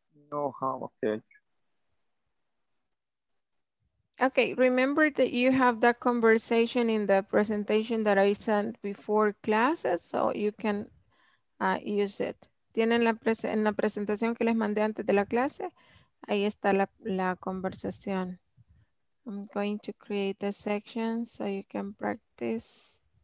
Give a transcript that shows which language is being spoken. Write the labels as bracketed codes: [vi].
[en] No, how much? Okay, remember that you have that conversation in the presentation that I sent before classes, so you can use it. [es] Tienen en la presentación que les mandé antes de la clase, ahí está la conversación. [en] I'm going to create a section so you can practice.